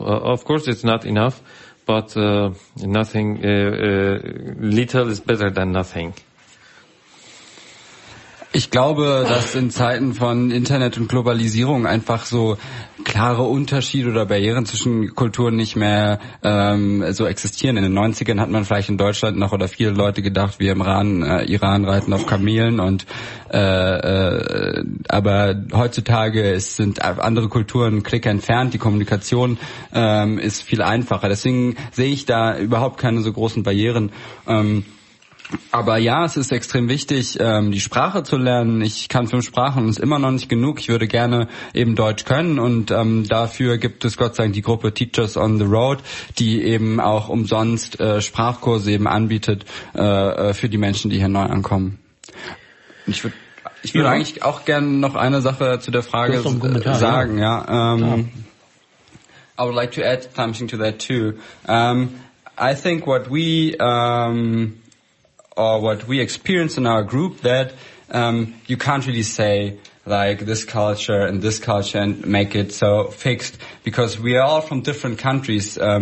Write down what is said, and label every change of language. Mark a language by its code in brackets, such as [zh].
[en] Of course, it's not enough, but nothing, little is better than nothing. [de] Ich glaube, dass in Zeiten von Internet und Globalisierung einfach so klare Unterschiede oder Barrieren zwischen Kulturen nicht mehr so existieren. In den 90ern hat man vielleicht in Deutschland noch oder viele Leute gedacht, wir im Iran reiten auf Kamelen. Und aber heutzutage sind andere Kulturen Klick entfernt, die Kommunikation ist viel einfacher. Deswegen sehe ich da überhaupt keine so großen Barrieren. Aber ja, es ist extrem wichtig, die Sprache zu lernen. Ich kann 5 Sprachen und es ist immer noch nicht genug. Ich würde gerne eben Deutsch können und dafür gibt es Gott sei Dank die Gruppe Teachers on the Road, die eben auch umsonst Sprachkurse eben anbietet für die Menschen, die hier neu ankommen. Und ich würde eigentlich auch gerne noch eine Sache zu der Frage sagen. Ja. [en] I would like to add something to that too. I think what we... or what we experience in our group, that you can't really say like this culture and this culture and make it so fixed, because we are all from different countries.